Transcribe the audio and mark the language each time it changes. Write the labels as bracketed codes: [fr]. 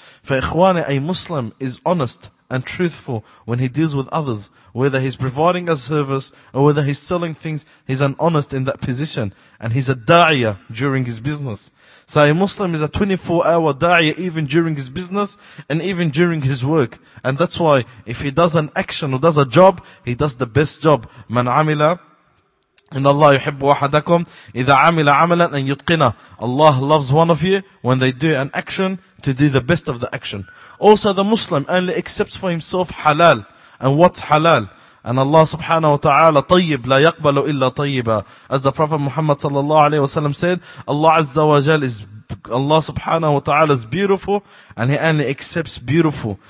[en] For ikhwani, a Muslim is honest and truthful when he deals with others, whether he's providing a service or whether he's selling things, he's an honest in that position, and he's a da'iyah during his business. So a Muslim is a 24-hour da'iyah even during his business and even during his work. And that's why if he does an action or does a job, he does the best job. [ar] Man amila, إن الله يحب أحدكم إذا عمل عملا أن يتقنه. [en] Allah loves one of you when they do an action to do the best of the action. Also, the Muslim only accepts for himself halal and what's halal. And Allah subhanahu wa ta'ala, [ar] طيب لا يقبل إلا طيبا. [en] As the Prophet Muhammad sallallahu alayhi wa sallam said, Allah azza wa jal is, Allah subhanahu wa ta'ala is beautiful, and He only accepts beautiful.